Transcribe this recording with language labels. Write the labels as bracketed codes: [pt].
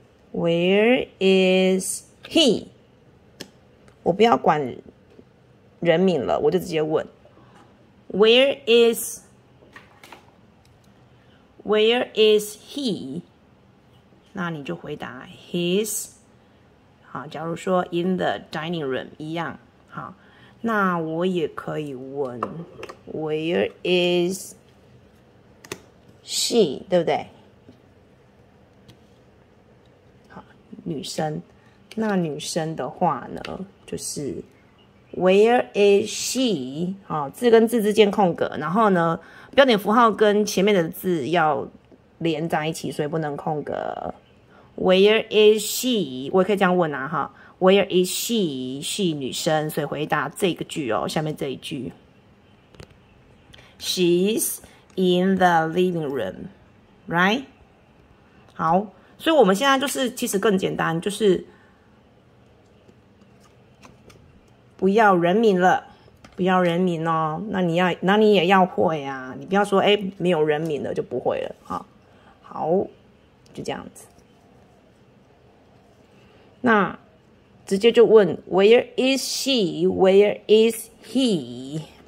[en] Where is he？ [zh] 我不要管人名了，我就直接问： [en] Where is he？ [zh] 那你就回答： [en] He's。 [zh] 好，假如说 [en] in the dining room [zh] 一样，好，那我也可以问： [en] Where is she？ [zh] 对不对？女生，那女生的话呢，就是 [en] Where is she？ [zh] 好，字跟字之间空格，然后呢，标点符号跟前面的字要连在一起，所以不能空格。 [en] Where is she？ [zh] 我也可以这样问啊，哈，Where is she？是女生，所以回答这个句哦，下面这一句， [en] She's in the living room，right？ [zh] 好。所以，我们现在就是其实更简单，就是不要人名了，不要人名哦。那你要，那你也要会啊。你不要说，哎，没有人名了就不会了哈。好，就这样子。那直接就问， [en] Where is she？Where is he？